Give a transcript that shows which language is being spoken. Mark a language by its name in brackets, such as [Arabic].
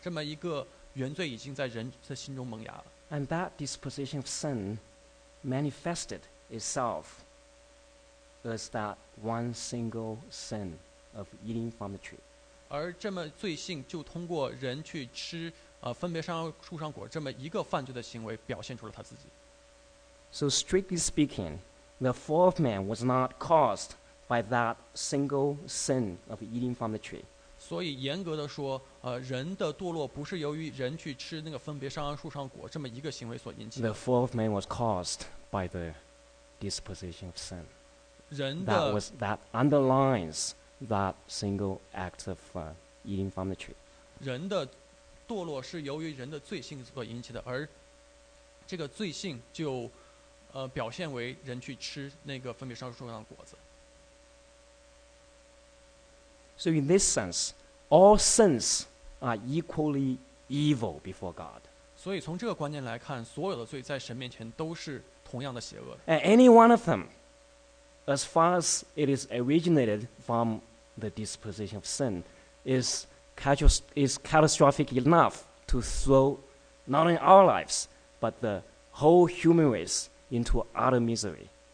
[Chinese] 就是因为人在犯罪之前做出犯那个行为之前很短很短即便是一纳秒的时间之内这么一个原罪已经在人的心中萌芽了。 [English] And that disposition of sin manifested itself as that one single sin of eating from the tree. [Chinese] 而这么罪性就通过人去吃, 分别善恶树上果, 这么一个犯罪的行为表现出了他自己。 [English] So strictly speaking, the fall of man was not caused by that single sin of eating from the tree. [Chinese] 所以严格地说, 人的堕落不是由于人去吃那个分别善恶树上果, 这么一个行为所引起的。 [English] The fall of man was caused by the disposition of sin. [Chinese] 人的, [English] that underlines that single act of eating from the tree. [Chinese] 人的堕落是由于人的罪性所引起的, 而这个罪性就, 表现为人去吃那个分别善恶树上的果子。 [English] So in this sense, all sins are equally evil before God. [Chinese] 所以从这个观念来看, 所有的罪在神面前都是同样的邪恶的。 [English] And any one of them, as far as it is originated from the disposition of sin, is catastrophic enough to throw not only our lives, but the whole human race into utter misery.